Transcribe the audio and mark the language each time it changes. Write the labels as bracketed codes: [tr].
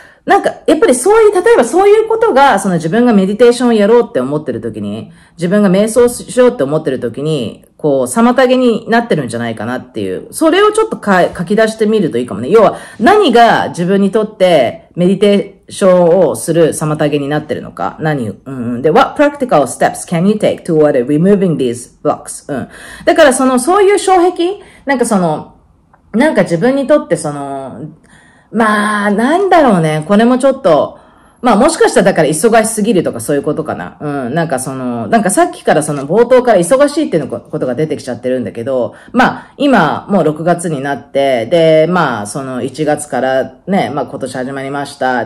[ja] なんか、やっぱりそういう、例えばそういうことが、その自分がメディテーションをやろうって思ってる時に、自分が瞑想しようって思ってる時に、こう、妨げになってるんじゃないかなっていう、それをちょっと書き出してみるといいかもね。要は、何が自分にとってメディテーションをする妨げになってるのか。何、うん、うん。 [en] で、What practical steps can you take toward removing these blocks? [ja] うん。だから、そういう障壁、なんかその、なんか自分にとってその、まあ、なんだろうね。これもちょっと、まあもしかしたらだから忙しすぎるとかそういうことかな。うん。なんかその、なんかさっきからその冒頭から忙しいっていうのことが出てきちゃってるんだけど、まあ今もう6月になって、で、まあその1月からね、まあ今年始まりました。